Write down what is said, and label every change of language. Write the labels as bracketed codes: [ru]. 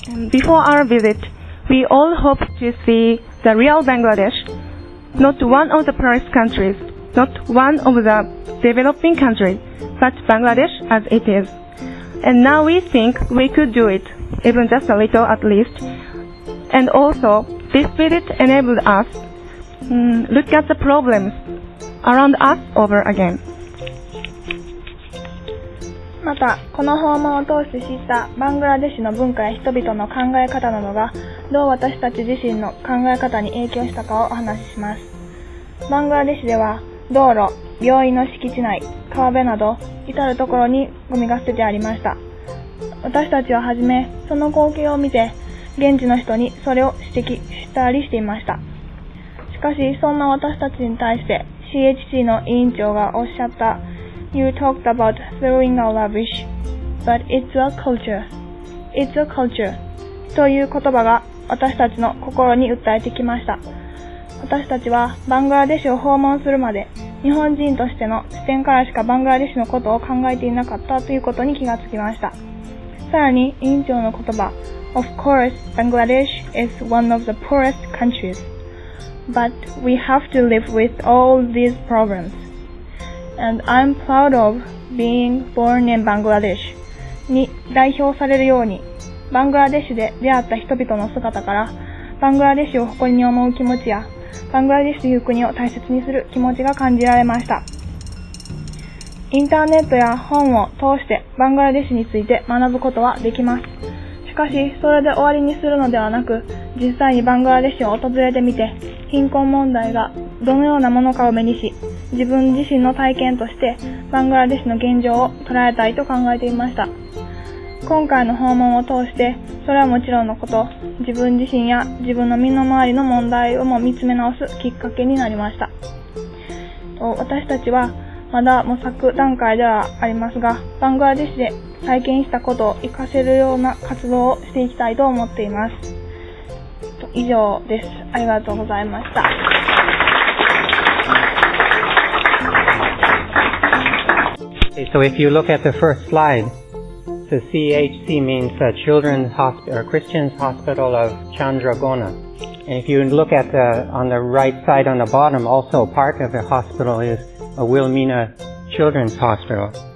[en] Before our visit, we all hoped to see the real Bangladesh, not one of the poorest countries, not one of the developing countries, but Bangladesh as it is. And now we think we could do it, even just a little at least. And also, this visit enabled us look at the problems around us over again. [ja] また、この訪問を通して知ったバングラデシュの文化や人々の考え方などが、どう私たち自身の考え方に影響したかをお話しします。バングラデシュでは、道路、病院の敷地内、川辺など、至る所にゴミが捨ててありました。私たちははじめ、その光景を見て、現地の人にそれを指摘したりしていました。しかし、そんな私たちに対して、CHC の委員長がおっしゃった、 [en] You talked about throwing our rubbish, but it's a culture. It's a culture. [ja] という言葉が私たちの心に訴えてきました。私たちはバングラデシュを訪問するまで、日本人としての視点からしかバングラデシュのことを考えていなかったということに気がつきました。さらに委員長の言葉、 [en] Of course, Bangladesh is one of the poorest countries, but we have to live with all these problems. And I'm proud of being born in Bangladesh. [ja] に代表されるように、バングラデシュで出会った人々の姿から、バングラデシュを誇りに思う気持ちや、バングラデシュという国を大切にする気持ちが感じられました。インターネットや本を通してバングラデシュについて学ぶことはできます。しかし、それで終わりにするのではなく、実際にバングラデシュを訪れてみて、貧困問題がどのようなものかを目にし、自分自身の体験としてバングラデシュの現状を捉えたいと考えていました。今回の訪問を通して、それはもちろんのこと、自分自身や自分の身の回りの問題をも見つめ直すきっかけになりました。私たちはまだ模索段階ではありますが、バングラデシュで体験したことを活かせるような活動をしていきたいと思っています。以上です。ありがとうございました。 [en] So if you look at the first slide, the CHC means the Children's Hospital, or Christian's Hospital of Chandragona. And if you look at the, on the right side on the bottom, also part of the hospital is a Wilhelmina Children's Hospital.